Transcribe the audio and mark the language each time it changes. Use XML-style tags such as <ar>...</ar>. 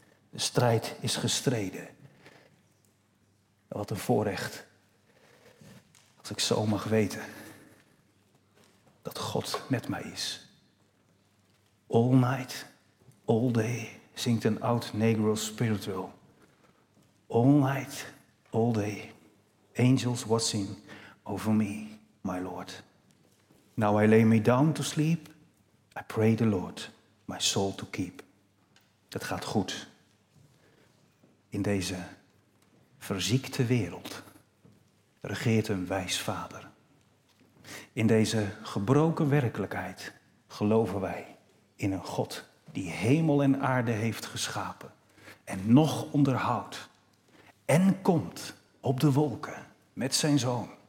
<nl>De strijd is gestreden. Wat een voorrecht. Als ik zo mag weten. Dat God met mij is.</nl> <en>All night. All day.</en> <nl>Zingt een oud Negro spiritual.</nl> <en>All night, all day, angels watching over me, my Lord. Now I lay me down to sleep, I pray the Lord, my soul to keep.</en> <nl>Het gaat goed. In deze verziekte wereld regeert een wijs vader. In deze gebroken werkelijkheid geloven wij in een God die hemel en aarde heeft geschapen en nog onderhoudt en komt op de wolken met zijn zoon.</nl>